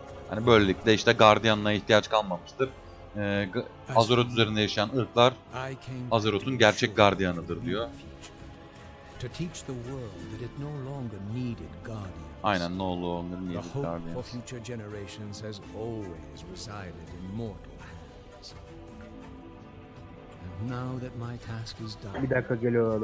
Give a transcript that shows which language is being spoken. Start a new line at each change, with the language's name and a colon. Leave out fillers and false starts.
Turkish: Hani böylelikle işte gardiyanına ihtiyaç kalmamıştır. Azeroth üzerinde yaşayan ırklar Azeroth'un gerçek gardiyanıdır diyor.
English: To teach the world that it no longer needed guardians. Aynen, no longer needed guardians. The hope for future generations has always resided in mortal hands. And now that my task is done,
Turkish: bir dakika geliyor abi.